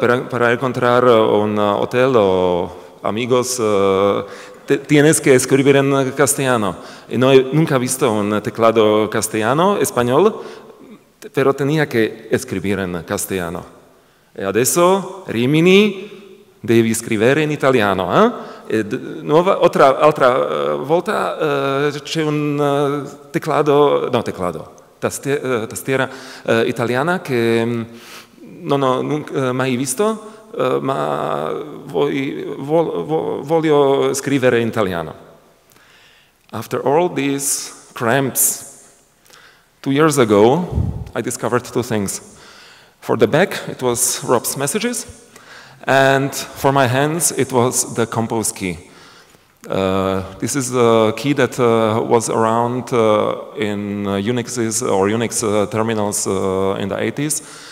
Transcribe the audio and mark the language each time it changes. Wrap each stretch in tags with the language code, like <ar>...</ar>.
<es>Para encontrar un hotel o amigos, tienes que escribir en castellano. No he nunca visto un teclado castellano, español, pero tenía que escribir en castellano.</es> <it>Y adesso, Rimini, devi scrivere in italiano. Un'altra volta c'è un tastiera italiana che non ho mai visto, ma voglio scrivere in italiano.</it> <en>After all these cramps, 2 years ago, I discovered 2 things. For the back, it was Rob's messages. And for my hands, it was the compose key. This is a key that was around in Unix's or Unix terminals in the 80s.</en>